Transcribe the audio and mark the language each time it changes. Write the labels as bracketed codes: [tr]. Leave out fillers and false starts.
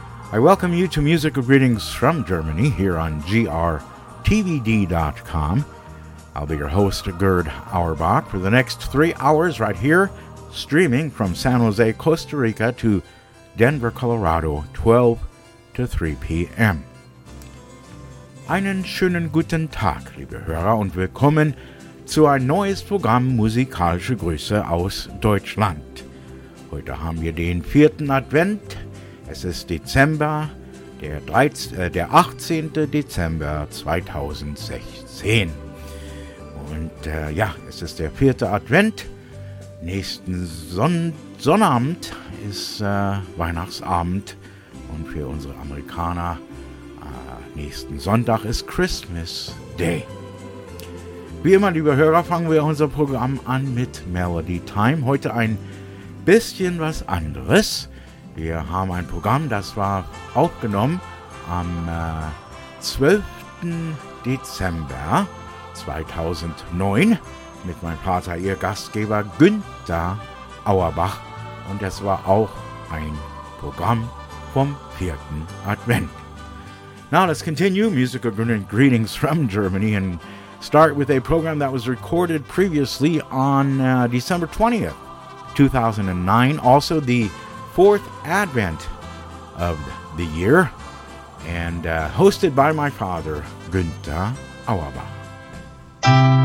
[en] I welcome you to Musical Greetings from Germany here on GRTVD.com. I'll be your host, Gerd Auerbach, for the next 3 hours right here, streaming from San Jose, Costa Rica to Denver, Colorado, 12 to 3 p.m. [de] Einen schönen guten Tag, liebe Hörer, und willkommen zu einem neuen Programm Musikalische Grüße aus Deutschland. Heute haben wir den 4. Advent. Es ist Dezember, der 18. Dezember 2016. Und es ist der 4. Advent. Nächsten Sonnabend ist Weihnachtsabend. Und für unsere Amerikaner, nächsten Sonntag ist Christmas Day. Wie immer, liebe Hörer, fangen wir unser Programm an mit Melody Time. Heute ein bisschen was anderes. Wir haben ein Programm, das war aufgenommen am 12. Dezember 2009 mit meinem Vater, ihr Gastgeber Günther Auerbach. Und das war auch ein Programm vom 4. [en] Advent. Now let's continue. Musical greetings from Germany and start with a program that was recorded previously on December 20th, 2009. Also the 4th Advent of the year, and hosted by my father, Günther Auerbach.